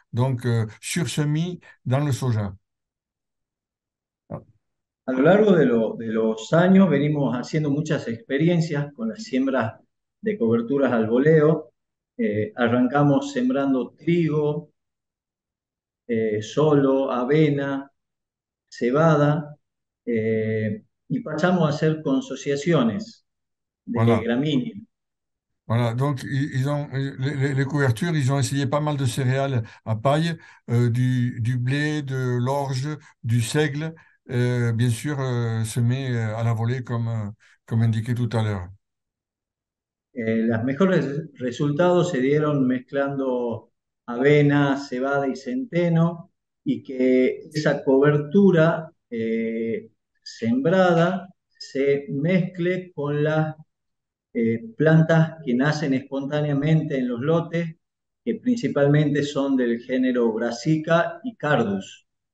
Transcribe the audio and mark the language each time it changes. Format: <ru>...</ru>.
<fr>Donc, sursemis dans le soja.</fr> <es>A lo largo de los años venimos haciendo muchas experiencias con las siembras de coberturas al boleo. Arrancamos sembrando trigo, solo, avena, cebada, y pasamos a hacer consociaciones de</es> <fr>Voilà.</fr> <es>gramíneas.</es> <fr>Voilà, donc les couvertures, ils ont essayé pas mal de céréales à paille, du blé, de l'orge, du seigle, bien sûr, semé à la volée comme indiqué tout à l'heure.</fr> <es>Los mejores resultados se dieron mezclando avena, cebada y centeno, y que esa cobertura sembrada se mezcle con las plantas que nacen espontáneamente en los lotes, que principalmente son del género Brassica y Cardus.</es>